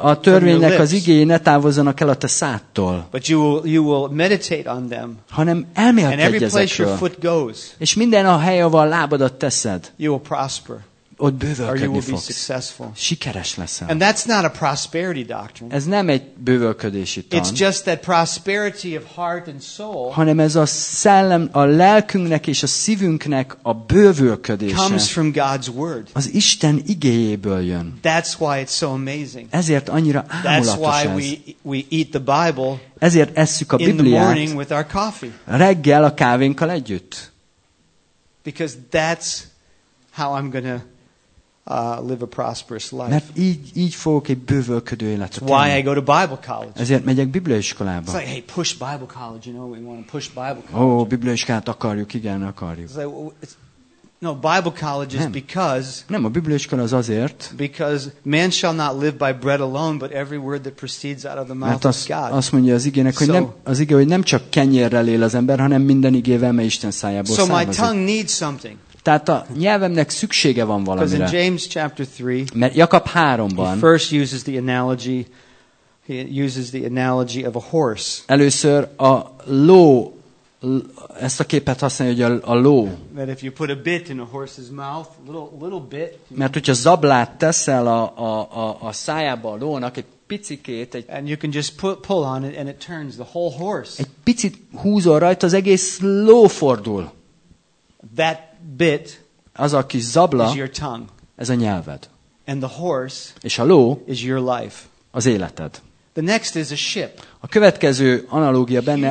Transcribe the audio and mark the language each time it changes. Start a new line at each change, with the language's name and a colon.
Hungarian: A törvénynek az igéje ne távozzanak el a te száddtól.
English: But you will meditate on them.
Hungarian: Hanem elmélkedj ezekről.
English: And every place your foot goes.
Hungarian: És minden a hely, ahol a lábadat teszed.
English: You will prosper.
Hungarian: Ott bővölködni fogsz.
English: Or you will be successful.
Hungarian: Sikeres leszel.
English: And that's not a prosperity doctrine.
Hungarian: Ez nem egy bővölködési tan.
English: It's just that prosperity of heart and soul.
Hungarian: Hanem ez a szellem, a lelkünknek és a szívünknek a bővölködése.
English: Comes from God's word.
Hungarian: Az Isten igéjéből jön.
English: That's why it's so amazing.
Hungarian: Ezért annyira ámulatos ez.
English: That's why we eat the Bible.
Hungarian: Ezért esszük a Bibliát.
English: In the morning with our coffee.
Hungarian: Reggel a kávénkkal együtt.
English: Because that's how I'm gonna live a prosperous life.
Hungarian: Mert így fogok egy bővölködő életet élni.
English: Why I go to Bible college?
Hungarian: Ezért megyek bibliaiskolába.
English: Like, hey, push Bible college, you know, we want to push Bible college.
Hungarian: Oh, bibliaiskolát akarjuk, igen, akarjuk.
English: Like, no, Bible college is because.
Hungarian: Nem, a bibliaiskola az azért.
English: Because man shall not live by bread alone, but every word that proceeds out of the mouth of God.
Hungarian: Azt mondja az igének, hogy nem az ige, hogy nem csak kenyérrel él az ember, hanem minden igével, mely Isten szájából származik.
English: So my tongue needs something.
Hungarian: Tehát a nyelvemnek szüksége van valamire.
English: Because in James chapter 3,
Hungarian: mert Jakab 3-ban
English: he uses the analogy of a horse.
Hungarian: Először a ló, ezt a képet használja, hogy a ló.
English: That if you put a bit in a horse's mouth, little bit.
Hungarian: Mert hogyha zablát teszel a szájába a lónak, egy picikét, egy,
English: and you can just pull on it and it turns the whole horse.
Hungarian: Egy picit húzol rajta, az egész ló fordul.
English: That bit,
Hungarian: az a kis zabla,
English: is your tongue,
Hungarian: ez a nyelved.
English: And the horse,
Hungarian: és a ló,
English: is your life,
Hungarian: az életed.
English: The next is a ship.
Hungarian: A következő analógia benne,